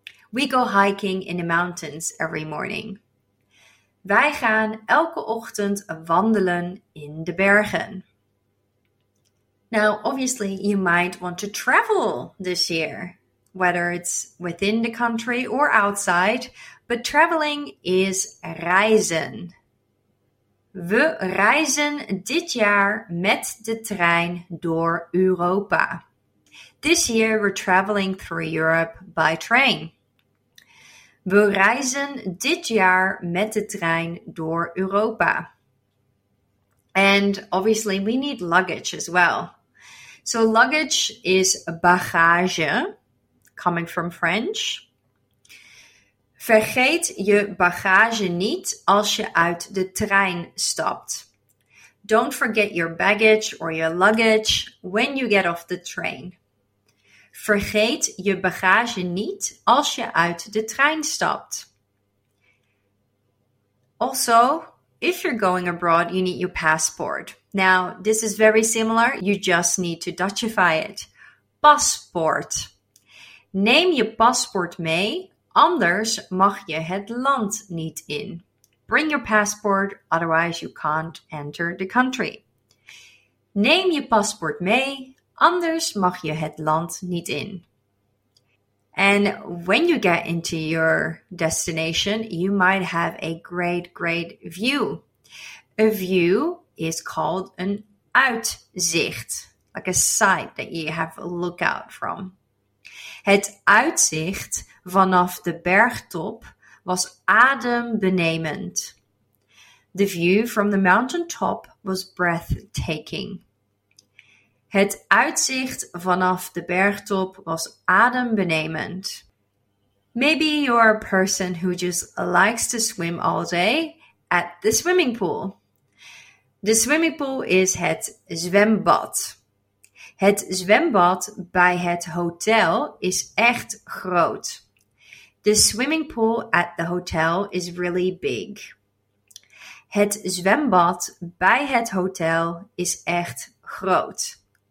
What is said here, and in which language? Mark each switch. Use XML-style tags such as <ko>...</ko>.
<en>We go hiking in the mountains every morning.</en> <nl>Wij gaan elke ochtend wandelen in de bergen.</nl> <en>Now, obviously, you might want to travel this year, whether it's within the country or outside. But traveling is reizen.</en> <nl>We reizen dit jaar met de trein door Europa.</nl> <en>This year we're traveling through Europe by train.</en> <nl>We reizen dit jaar met de trein door Europa.</nl> <en>And obviously we need luggage as well. So luggage is bagage, coming from French.</en> <nl>Vergeet je bagage niet als je uit de trein stapt.</nl> <en>Don't forget your baggage or your luggage when you get off the train.</en> <nl>Vergeet je bagage niet als je uit de trein stapt.</nl> <en>Also, if you're going abroad, you need your passport. Now, this is very similar. You just need to Dutchify it.</en> <nl>Paspoort. Neem je paspoort mee. Anders mag je het land niet in.</nl> <en>Bring your passport, otherwise you can't enter the country.</en> <nl>Neem je paspoort mee, anders mag je het land niet in.</nl> <en>And when you get into your destination, you might have a great, great view. A view is called an uitzicht, like a sight that you have a lookout from.</en> <nl>Het uitzicht vanaf de bergtop was adembenemend.</nl> <en>The view from the mountaintop was breathtaking.</en> <nl>Het uitzicht vanaf de bergtop was adembenemend.</nl> <en>Maybe you're a person who just likes to swim all day at the swimming pool. The swimming pool is</en> <nl>het zwembad. Het zwembad bij het hotel is echt groot.</nl> <en>The swimming pool at the hotel is really big.</en> <nl>Het zwembad bij het hotel is echt groot.</nl>